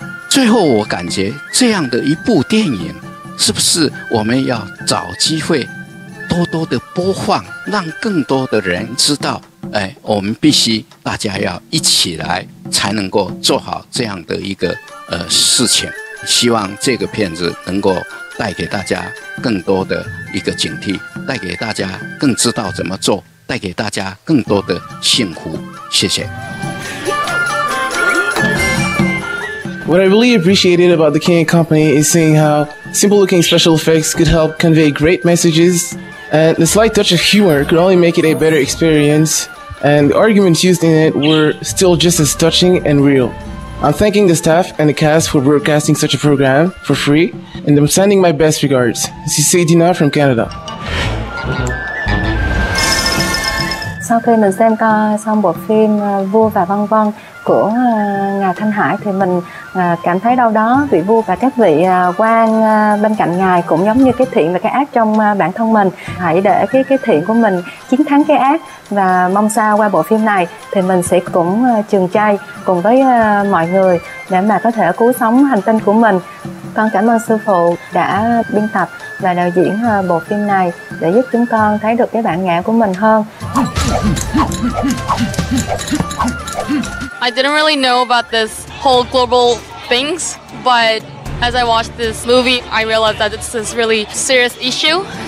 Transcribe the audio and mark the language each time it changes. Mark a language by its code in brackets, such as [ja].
[zh] 最后我感觉这样的一部电影，是不是我们要找机会多多的播放，让更多的人知道，我们必须大家要一起来才能够做好这样的一个事情。希望这个片子能够带给大家更多的一个警惕，带给大家更知道怎么做，带给大家更多的幸福。谢谢。 [en] What I really appreciated about the King and Company is seeing how simple looking special effects could help convey great messages, and the slight touch of humor could only make it a better experience, and the arguments used in it were still just as touching and real. I'm thanking the staff and the cast for broadcasting such a program for free, and I'm sending my best regards. This is Sadina from Canada. [vi] Sau khi mình xem xong bộ phim Vua và Văn Văn của Ngài Thanh Hải thì mình cảm thấy đâu đó vị vua và các vị quan bên cạnh Ngài cũng giống như cái thiện và cái ác trong bản thân mình. Hãy để cái thiện của mình chiến thắng cái ác, và mong sao qua bộ phim này thì mình sẽ cũng trường chay cùng với mọi người để mà có thể cứu sống hành tinh của mình. Con cảm ơn sư phụ đã biên tập và đạo diễn bộ phim này để giúp chúng con thấy được cái bản ngã của mình hơn. [en] I didn't really know about this whole global things, but as I watched this movie, I realized that it's this really serious issue.